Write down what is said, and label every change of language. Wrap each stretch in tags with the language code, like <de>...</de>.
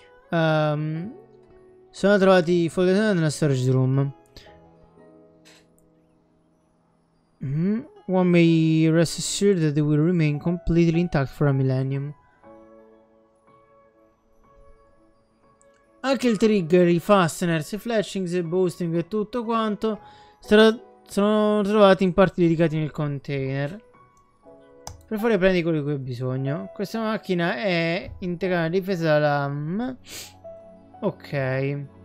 <it>Sono trovati i folder nella storage room.</it> <en>One may rest assured that they will remain completely intact for a millennium.</en> <it>Anche il trigger, i fasteners, i flashings e boosting e tutto quanto sono trovati in parti dedicate nel container. Per favore prendi quello di cui hai bisogno. Questa macchina è integrata in difesa dalla... Ok.</it>